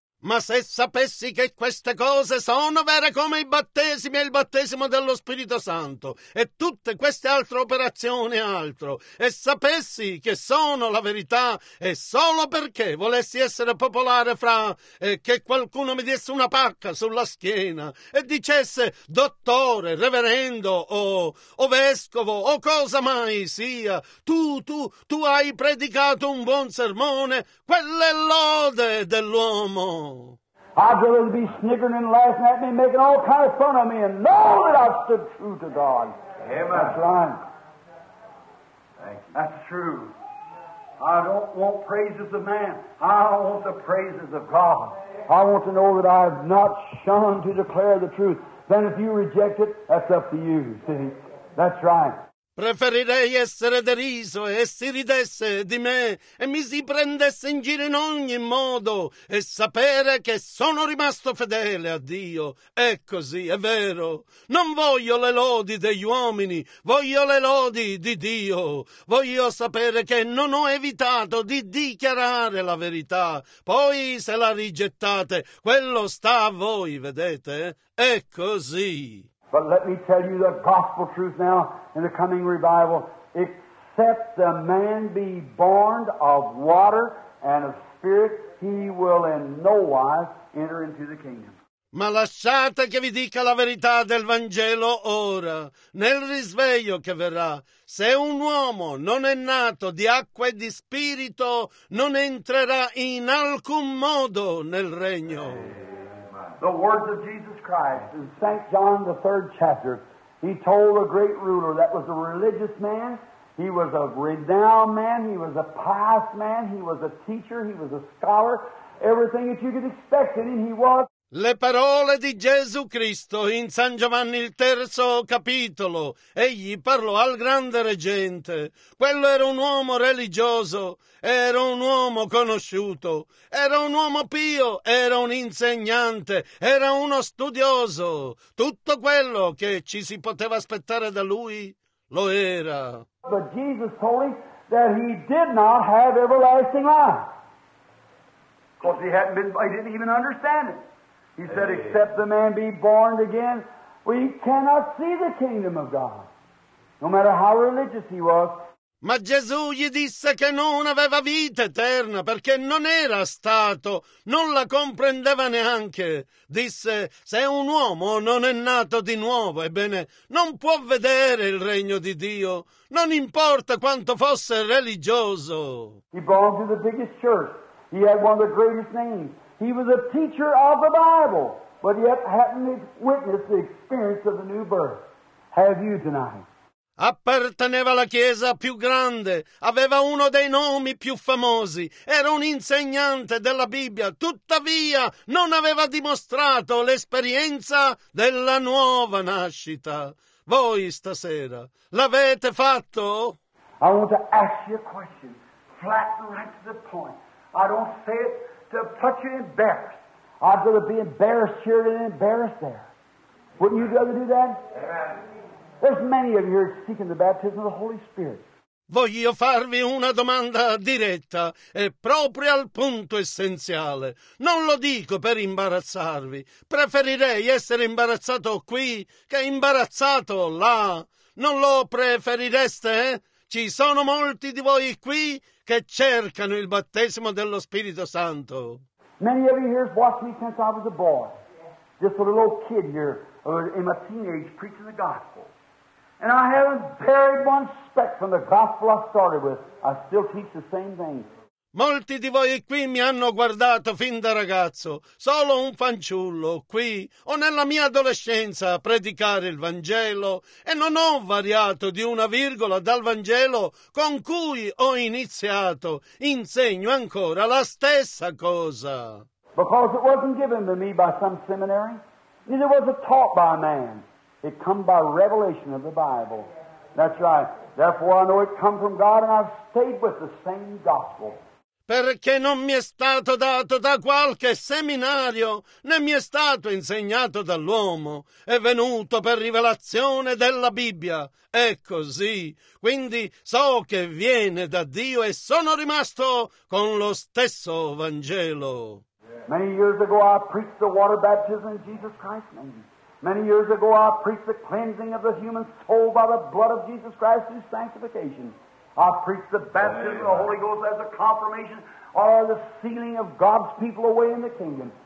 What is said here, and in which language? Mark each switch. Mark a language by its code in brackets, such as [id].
[it] Ma se sapessi che queste cose sono vere come i battesimi e il battesimo dello Spirito Santo e tutte queste altre operazioni e altro, e sapessi che sono la verità e solo perché volessi essere popolare fra che qualcuno mi desse una pacca sulla schiena e dicesse dottore, reverendo o vescovo o cosa mai sia, tu hai predicato un buon sermone, quella è lode dell'uomo. [en] I'd rather be sniggering and laughing at me, making all kinds of fun of me, and know that I've stood true to God. Amen. That's right. Thank you. That's true. I don't want praises of man. I want the praises of God. I want to know that I have not shunned to declare the truth. Then if you reject it, that's up to you. See? That's right. [it] Preferirei essere deriso e si ridesse di me e mi si prendesse in giro in ogni modo e sapere che sono rimasto fedele a Dio. È così, è vero. Non voglio le lodi degli uomini, voglio le lodi di Dio. Voglio sapere che non ho evitato di dichiarare la verità. Poi se la rigettate, quello sta a voi, vedete? È così. [en] But let me tell you the gospel truth now in the coming revival. Except the man be born of water and of spirit, he will in no wise enter into the kingdom. [it] Ma lasciate che vi dica la verità del Vangelo ora, nel risveglio che verrà. Se un uomo non è nato di acqua e di spirito, non entrerà in alcun modo nel regno. [en] The words of Jesus Christ in St. John, the third chapter, he told a great ruler that was a religious man, he was a renowned man, he was a pious man, he was a teacher, he was a scholar, everything that you could expect in him, he was. [it] Le parole di Gesù Cristo in San Giovanni il terzo capitolo. Egli parlò al grande reggente. Quello era un uomo religioso, era un uomo conosciuto, era un uomo pio, era un insegnante, era uno studioso. Tutto quello che ci si poteva aspettare da lui lo era. [en] But Jesus told him that he did not have everlasting life. Because he didn't even understand it. He said, except the man be born again, we cannot see the kingdom of God, no matter how religious he was. [it] Ma Gesù gli disse che non aveva vita eterna, perché non era stato, non la comprendeva neanche. Disse, se un uomo non è nato di nuovo, ebbene, non può vedere il regno di Dio, non importa quanto fosse religioso. [en] He belonged to the biggest church. He had one of the greatest names. He was a teacher of the Bible, but yet hadn't witnessed the experience of the new birth. Have you tonight? [it] Apparteneva alla chiesa più grande, aveva uno dei nomi più famosi, era un insegnante della Bibbia, tuttavia non aveva dimostrato l'esperienza della nuova nascita. Voi stasera l'avete fatto? [en] I want to ask you a question, flat and right to the point. I don't say it to put you embarrassed. I'd rather be embarrassed here than embarrassed there. Wouldn't you rather do that? Amen. There's many of you here seeking the baptism of the Holy Spirit. [it] Voglio farvi una domanda diretta e proprio al punto essenziale. Non lo dico per imbarazzarvi. Preferirei essere imbarazzato qui che imbarazzato là. Non lo preferireste? Ci sono molti di voi qui che cercano il battesimo dello Spirito Santo. [en] Many of you here have watched me since I was a boy. Just a little kid here, in my teenage, preaching the gospel. And I haven't buried one speck from the gospel I started with. I still teach the same thing. [it] Molti di voi qui mi hanno guardato fin da ragazzo, solo un fanciullo, qui o nella mia adolescenza a predicare il Vangelo, e non ho variato di una virgola dal Vangelo con cui ho iniziato. Insegno ancora la stessa cosa. [en] Because it wasn't given to me by some seminary, neither was it taught by a man. It comes by revelation of the Bible. That's right. Therefore I know it comes from God and I've stayed with the same gospel. [it] Perché non mi è stato dato da qualche seminario, né mi è stato insegnato dall'uomo. È venuto per rivelazione della Bibbia. È così. Quindi so che viene da Dio e sono rimasto con lo stesso Vangelo. [en] Many years ago I preached the water baptism in Jesus Christ's name. Many years ago I preached the cleansing of the human soul by the blood of Jesus Christ through sanctification. I preached the baptism of the Holy Ghost as a confirmation or the sealing of God's people away in the kingdom.